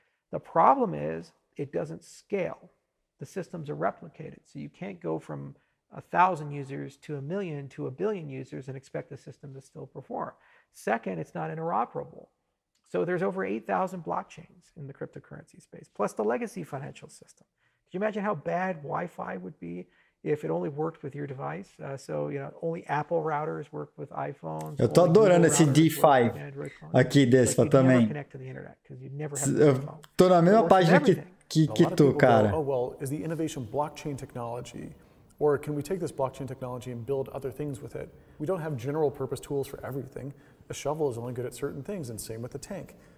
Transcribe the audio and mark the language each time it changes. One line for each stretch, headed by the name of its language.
English: The problem is it doesn't scale. The systems are replicated, so you can't go from 1,000 users to 1,000,000 to 1,000,000,000 users and expect the system to still perform. Second, it's not interoperable. So there's over 8,000 blockchains in the cryptocurrency space, plus the legacy financial system. Could you imagine how bad Wi-Fi would be if it only worked with your device? So, you know, only Apple routers work with iPhones.
Portuguese: Eu tô adorando esse DeFi aqui, Despa, também. Tô na mesma página que tu, cara.
English: Oh, well, is the innovation blockchain technology, or can we take this blockchain technology and build other things with it? We don't have general purpose tools for everything. A shovel is only good at certain things, and same with a tank.